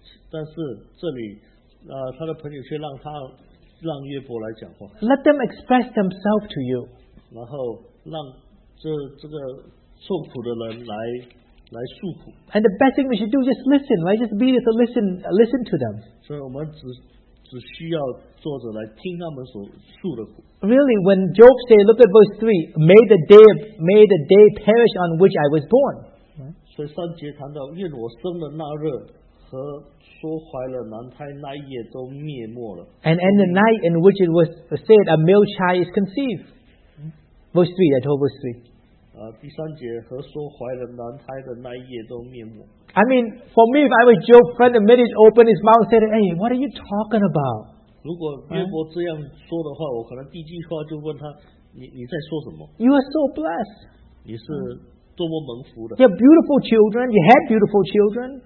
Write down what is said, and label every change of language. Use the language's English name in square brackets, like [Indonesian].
[Chinese] 但是这里，他的朋友却让约伯来讲话。 [English] Let them express themselves to you. [Chinese] 然后让这个。受苦的人来诉苦。 [English] And the best thing we should do is just listen, right? Just be there to listen to them. [Chinese] 所以我们只, 只需要作者来听他们所述的苦。 [English] Really, when Job said, look at verse 3, may the day perish on which I was born. [Chinese] 所以三节谈到愿我生的那日和说怀了男胎那夜都灭没了。 [English] And the night in which it was said a male child is conceived. Verse 3, I told verse 3. [Chinese] 第三节和说怀了男胎的那一夜都灭没。 [English] I mean, for me, if I was Job, friend, the minute opened his mouth, said, "Hey, what are you talking about?" [Chinese] 如果约伯这样说的话，我可能第一句话就问他，你在说什么 [English] ？You are so blessed. [Chinese] 你是多么蒙福的。 [English] You have beautiful children. You had beautiful children.